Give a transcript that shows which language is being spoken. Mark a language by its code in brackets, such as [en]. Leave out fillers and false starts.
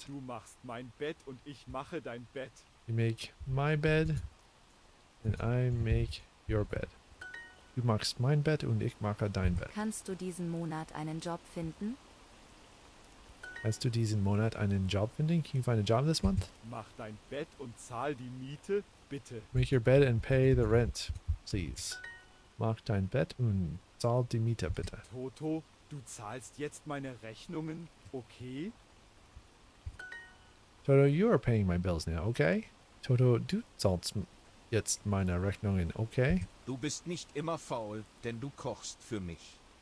[de] Du machst mein Bett und ich mache dein Bett. [en] You make my bed and I make your bed. [de] Du machst mein Bett und ich mache dein Bett. Kannst du diesen Monat einen Job finden? Kannst du diesen Monat einen Job finden? [en] Can you find a job this month? [de] Mach dein Bett und zahl die Miete, bitte. [en] Make your bed and pay the rent, please. [de] Mach dein Bett und zahl die Miete, bitte. Toto, du zahlst jetzt meine Rechnungen, okay? [en] Toto, you are paying my bills now, okay? [de] Toto, du zahlst jetzt meine Rechnungen, okay? Du bist nicht immer faul, denn du kochst für mich.